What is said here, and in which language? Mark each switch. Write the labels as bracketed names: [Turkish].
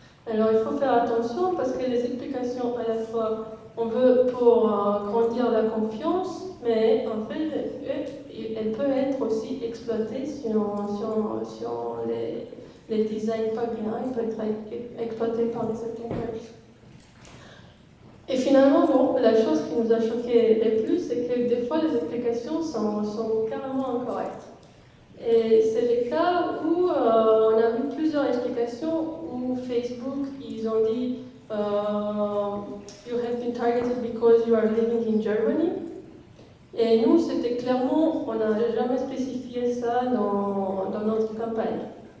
[French] Alors, il faut faire attention parce que les explications, à la fois, on veut pour grandir la confiance, mais en fait, elle peut être aussi exploitée si on les design pas bien, elle peut être exploitée par les attaquants. Et finalement, bon, la chose qui nous a choqué le plus, c'est que des fois, les explications sont carrément incorrectes. Et c'est le cas où on a vu plusieurs explications où Facebook, ils ont dit [English] you have been targeted because you are living in Germany. [French] Et nous, c'était clairement, on n'a jamais spécifié ça dans notre campagne.